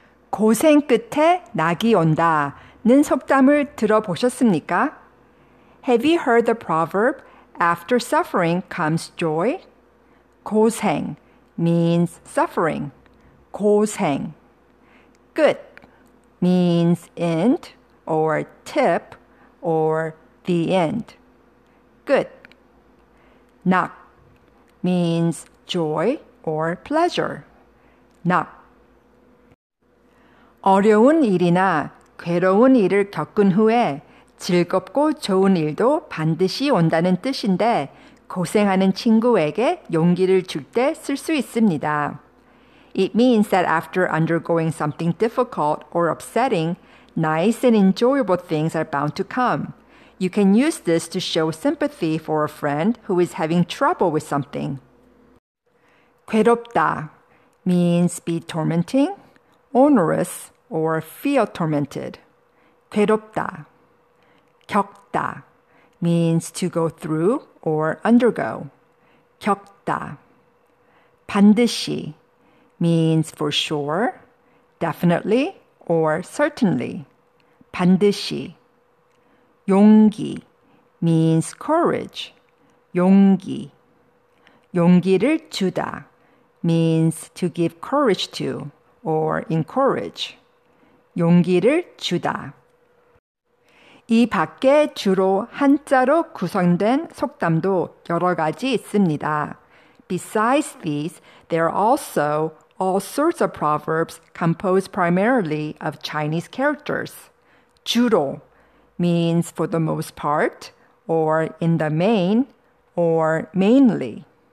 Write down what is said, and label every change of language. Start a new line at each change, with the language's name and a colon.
Korean: 고생 끝에 낙이 온다는 속담을 들어보셨습니까?
English: Have you heard the proverb, after suffering comes joy? 고생 means suffering.
Korean: 고생. 끝
English: means end or tip or the end.
Korean: 끝.
English: 낙 means joy or pleasure.
Korean: 낙. 어려운 일이나 괴로운 일을 겪은 후에 즐겁고 좋은 일도 반드시 온다는 뜻인데 고생하는 친구에게 용기를 줄 때 쓸 수 있습니다.
English: It means that after undergoing something difficult or upsetting, nice and enjoyable things are bound to come. You can use this to show sympathy for a friend who is having trouble with something. 괴롭다 means be tormenting, onerous, or feel tormented.
Korean: 괴롭다.
English: 겪다 means to go through or undergo.
Korean: 겪다.
English: 반드시 means for sure, definitely, or certainly.
Korean: 반드시.
English: 용기 means courage.
Korean: 용기. 용기를 주다
English: means to give courage to or encourage.
Korean: 용기를 주다. 이 밖에 주로 한자로 구성된 속담도 여러 가지 있습니다.
English: Besides these, there are also all sorts of proverbs composed primarily of Chinese characters. 주로 means for the most part, or in the main, or mainly.